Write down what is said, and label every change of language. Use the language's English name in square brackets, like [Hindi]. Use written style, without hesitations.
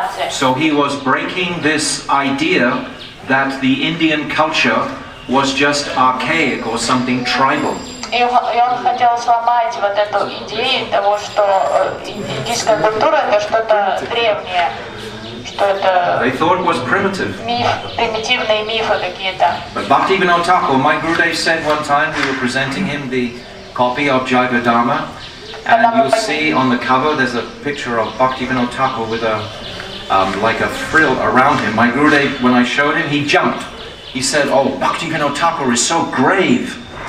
[English] So he was breaking this idea that the Indian culture was just archaic or something tribal. [Russian] И он хотел сломать вот эту идею того, что индийская культура это что-то древнее, что это [English] they thought it was primitive. [Russian] Миф, примитивные мифы какие-то. [English] But Bhaktivinoda Thakur, my Gurudev said one time, we were presenting him the copy of Jiva Dharma, and you'll see on the cover there's a picture of Bhaktivinoda Thakur with a like a frill around him. My Gurudev, when I showed him, he jumped. He said, "Oh, Bhaktivinoda Thakur is so grave.